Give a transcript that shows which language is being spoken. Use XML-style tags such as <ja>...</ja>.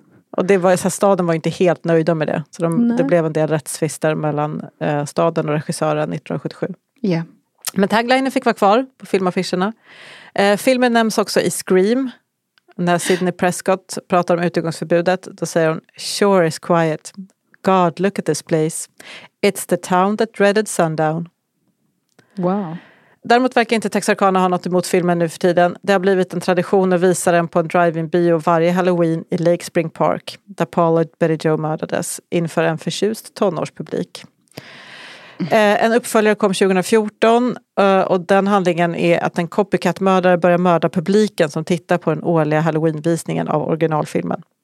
<sv>Och det var, så här, staden var inte helt nöjda med det. Så det blev en del rättsvister mellan staden och regissören 1977.</sv> <en>Yeah.</en> <sv>Men taglinen fick vara kvar på filmaffischerna. Filmen nämns också i Scream. När Sidney Prescott pratar om utegångsförbudet, då säger hon,</sv> <en>"Sure is quiet. God, look at this place. It's the town that dreaded sundown." Wow.</en> <sv>Däremot verkar inte Texarkana ha något emot filmen nu för tiden. Det har blivit en tradition att visa den på en drive-in-bio varje Halloween i Lake Spring Park, där Paul och Betty Jo mördades inför en förtjust tonårspublik. En uppföljare kom 2014, och den handlingen är att en copycat-mördare börjar mörda publiken som tittar på den årliga Halloween-visningen av originalfilmen.</sv>